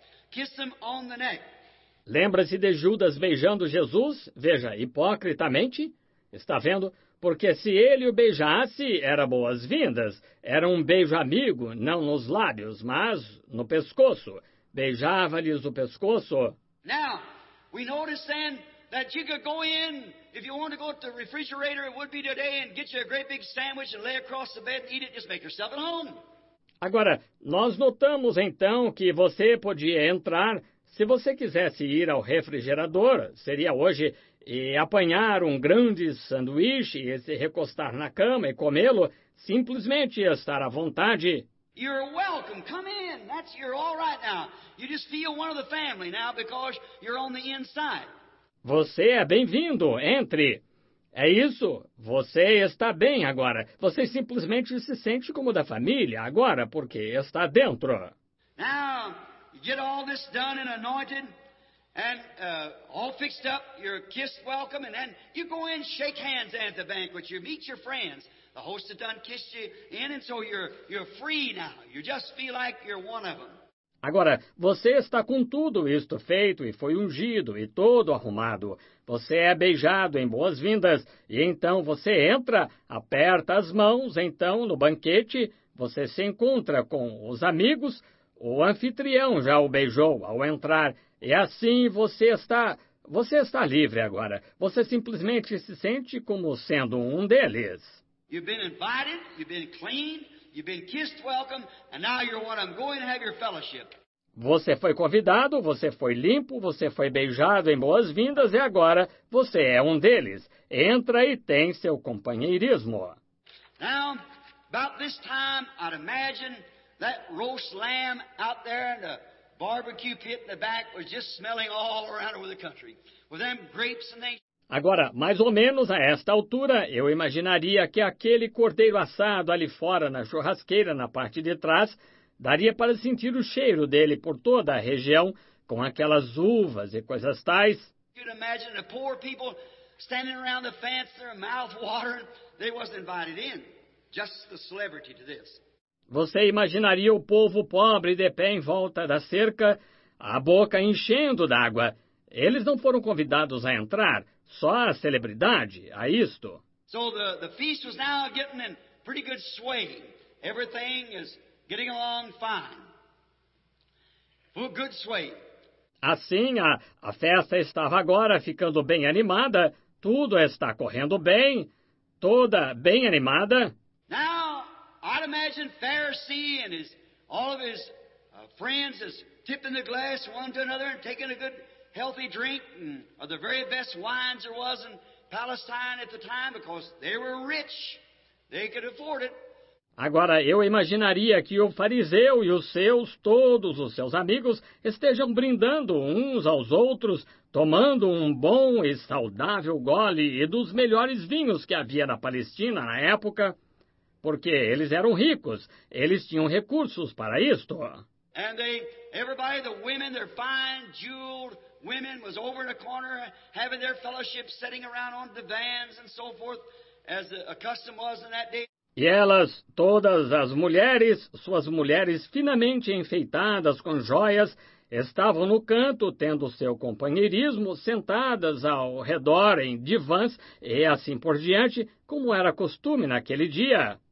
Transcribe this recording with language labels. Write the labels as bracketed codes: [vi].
[en] Kiss them on the neck. [pt] Lembra-se de Judas beijando Jesus? Veja, hipocritamente? Está vendo? Porque se ele o beijasse, era boas-vindas. Era um beijo amigo, não nos lábios, mas no pescoço. Beijava-lhes o pescoço. [en] Now, we notice then that you could go in, if you want to go to the refrigerator, it would be today, and get you a great big sandwich and lay across the bed and eat it, just make yourself at home. [pt] Agora, nós notamos então que você podia entrar, se você quisesse ir ao refrigerador, seria hoje, e apanhar um grande sanduíche e se recostar na cama e comê-lo, simplesmente estar à vontade. [en] You're welcome. Come in. That's, you're all right now. You just feel one of the family now because you're on the inside. [pt] Você é bem-vindo. Entre. É isso. Você está bem agora. Você simplesmente se sente como da família agora, porque está dentro. [en] Now, you get all this done and anointed and all fixed up. You're kissed welcome. And then you go in, shake hands at the banquet. You meet your friends. The host has done kissed you in, and so you're free now. You just feel like you're one of them. [pt] Agora, você está com tudo isto feito e foi ungido e todo arrumado. Você é beijado em boas-vindas e então você entra, aperta as mãos, então, no banquete, você se encontra com os amigos, o anfitrião já o beijou ao entrar e assim você está livre agora. Você simplesmente se sente como sendo um deles. [en] You've been invited, you've been cleaned. You've been kissed welcome, and now you're what I'm going to have your fellowship. [pt] Você foi convidado, você foi limpo, você foi beijado em boas-vindas, e agora você é um deles. Entra e tem seu companheirismo. [en] Now, about this time, I'd imagine that roast lamb out there in the barbecue pit in the back was just smelling all around over the country. With them grapes and they... [pt] Agora, mais ou menos a esta altura, eu imaginaria que aquele cordeiro assado ali fora na churrasqueira, na parte de trás, daria para sentir o cheiro dele por toda a região, com aquelas uvas e coisas tais. [en] You'd imagine the poor people standing around the fence, their mouth watering. They wasn't invited in. Just the celebrity to this. [pt] Você imaginaria o povo pobre de pé em volta da cerca, a boca enchendo d'água. Eles não foram convidados a entrar. Só a celebridade, a isto. [en] So the feast was now getting in pretty good sway. Everything is getting along fine. Full good sway. [pt] Assim, a festa estava agora ficando bem animada. Tudo está correndo bem. Toda bem animada. [en] Now, I'd imagine Pharisee and his, all of his friends is tipping the glass one to another and taking a good... healthy drink and are the very best wines there was in Palestine at the time because they were rich. They could afford it. [pt] Agora, eu imaginaria que o fariseu e os seus, todos os seus amigos, estejam brindando uns aos outros, tomando um bom e saudável gole e dos melhores vinhos que havia na Palestina na época, porque eles eram ricos, eles tinham recursos para isto. [en] And they, everybody, the women, they're fine, jeweled, women was over in a corner having their fellowship, sitting around on divans and so forth, as the custom was in that day. [pt] E elas, todas as mulheres, suas mulheres finamente enfeitadas com joias, estavam no canto tendo seu companheirismo, sentadas ao redor em divãs e assim por diante, como era costume naquele dia.